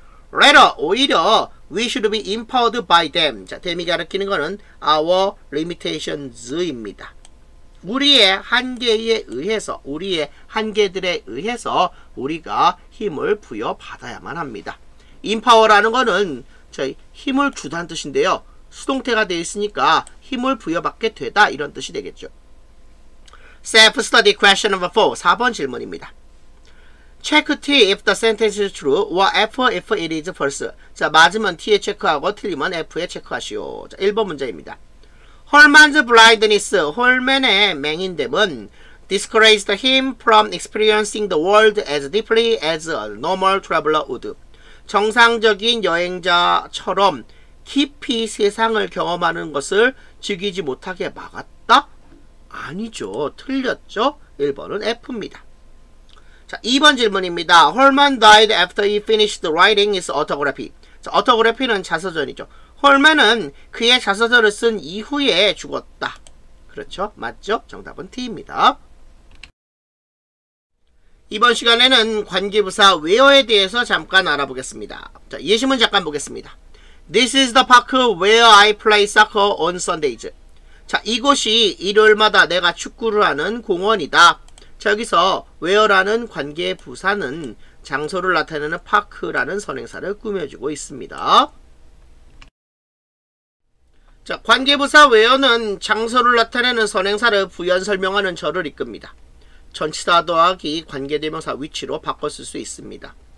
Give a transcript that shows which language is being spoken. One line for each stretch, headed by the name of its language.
English: rather,
Korean: 오히려
English: we should be empowered by them.
Korean: 자, them이 가리키는 거는 our limitations입니다. 우리의 한계에 의해서, 우리의 한계들에 의해서 우리가 힘을 부여받아야만 합니다. empower라는 거는 저희 힘을 주다는 뜻인데요. 수동태가 되어 있으니까 힘을 부여받게 되다 이런 뜻이 되겠죠.
English: self-study question number 4,
Korean: 4번 질문입니다.
English: check t if the sentence is true or f if it is false.
Korean: 자, 맞으면 t에 체크하고 틀리면 f에 체크하시오. 자, 1번 문제입니다.
English: Holman's blindness,
Korean: 홀맨의 맹인됨은
English: discouraged him from experiencing the world as deeply as a normal traveler would.
Korean: 정상적인 여행자처럼 깊이 세상을 경험하는 것을 즐기지 못하게 막았다? 아니죠. 틀렸죠? 1번은 F입니다. 자, 2번 질문입니다.
English: Holman died after he finished writing his autobiography.
Korean: 자, autobiography는 자서전이죠. 홀맨은 그의 자서전을 쓴 이후에 죽었다. 그렇죠? 맞죠? 정답은 T입니다. 이번 시간에는 관계부사 where에 대해서 잠깐 알아보겠습니다. 자, 예시문 잠깐 보겠습니다.
English: This is the park where I play soccer on Sundays.
Korean: 자, 이곳이 일요일마다 내가 축구를 하는 공원이다. 자, 여기서 where라는 관계부사는 장소를 나타내는 park라는 선행사를 꾸며주고 있습니다. 자, 관계부사 where는 장소를 나타내는 선행사를 부연 설명하는 절을 이끕니다. 전치사 더하기 관계대명사 위치로 바꿔 쓸 수 있습니다.